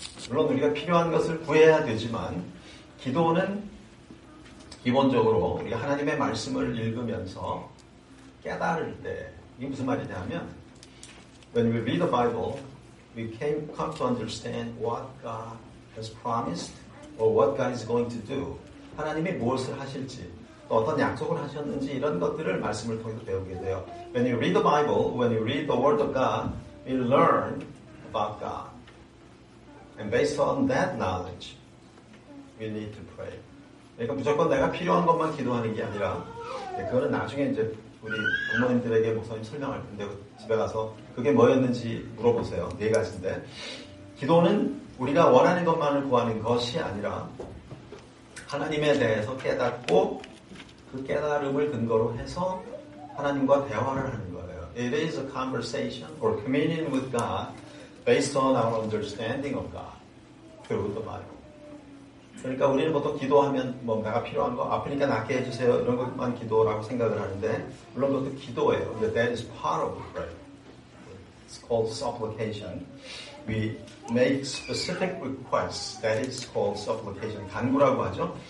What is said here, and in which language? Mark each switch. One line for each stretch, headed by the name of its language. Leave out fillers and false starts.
Korean: 물론 우리가 필요한 것을 구해야 되지만 기도는 기본적으로 우리가 하나님의 말씀을 읽으면서 깨달을 때, 이게 무슨 말이냐면
English: when we read the Bible, we come to understand what God has promised or what God is going to do.
Korean: 하나님이 무엇을 하실지, 또 어떤 약속을 하셨는지 이런 것들을 말씀을 통해서 배우게 돼요.
English: When you read the Bible, when you read the Word of God, we learn about God. And based on that knowledge, we need to pray.
Korean: 그러니까 무조건 내가 필요한 것만 기도하는 게 아니라 그거는 나중에 이제 우리 부모님들에게 목사님 설명할 텐데 집에 가서 그게 뭐였는지 물어보세요. 네 가지인데 기도는 우리가 원하는 것만을 구하는 것이 아니라 하나님에 대해서 깨닫고 그 깨달음을 근거로 해서 하나님과 대화를 하는 거예요.
English: It is a conversation or communion with God based on our understanding of God through the Bible.
Korean: 그러니까 우리는 보통 기도하면 뭐 내가 필요한 거 아프니까 낫게 해주세요 이런 것만 기도라고 생각을 하는데 물론 그것도 기도예요.
English: But that is part of prayer. It's called supplication. We make specific requests. That is called supplication.
Korean: 간구라고 하죠.